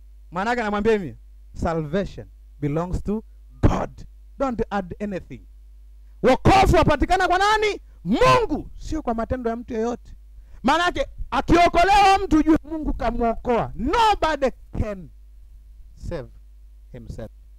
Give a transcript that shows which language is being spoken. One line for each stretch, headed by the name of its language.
Swahili: Maana yake namwambia mimi,
English: salvation belongs to God, don't add anything.
Swahili: Wokovu wapatikana kwa nani? Mungu, sio kwa matendo ya mtu yeyote. Maana yake akiokolewa mtu juu Mungu kamuokoa.
English: Nobody can save himself.